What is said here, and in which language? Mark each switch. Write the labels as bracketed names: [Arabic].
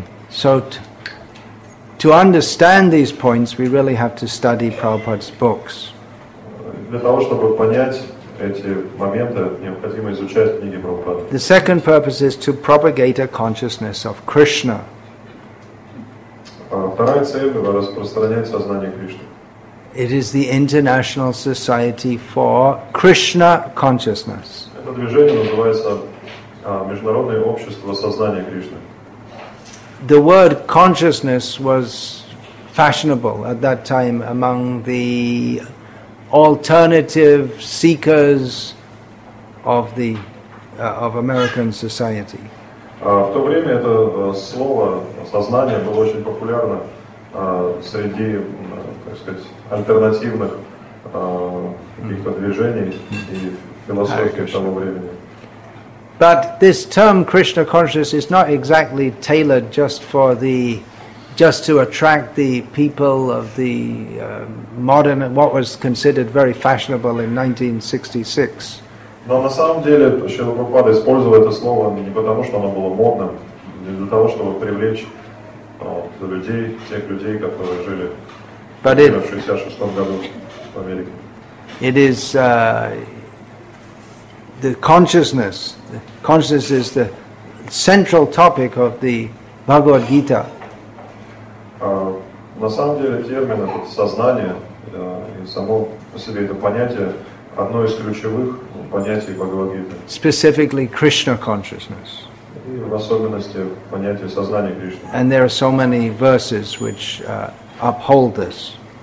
[English] So to understand these points, we really have to study Prabhupada's books. [Russian] Для того, чтобы понять эти моменты, необходимо изучать книги Прабхупады. [English] The second purpose is to propagate a consciousness of Krishna. [Russian] Вторая цель – распространять сознание Кришны. [English] It is the International Society for Krishna Consciousness. [Russian] Это движение называется Международное общество сознания Кришны. [English] The word consciousness was fashionable at that time among the alternative seekers of the of American society. [Russian] В то время это слово сознание было очень популярно среди, так сказать, альтернативных каких-то движений и философии того времени. [English] But this term Krishna consciousness is not exactly tailored just for the, just to attract the people of the modern, what was considered very fashionable in 1966. [Russian] Но на самом деле Шрила Прабхупада использовал это слово не потому, что оно было модным, не для того, чтобы привлечь людей, тех людей, которые жили в 1966 году в Америке. [English] It is consciousness is the central topic of the Bhagavad Gita. [Russian] На самом деле термин этот сознание и само по себе это понятие одно из ключевых понятий Бхагавад Гиты. [English] Specifically Krishna consciousness. [Russian] И в особенности понятие сознания Кришны. [English] And there are so many verses which uphold this.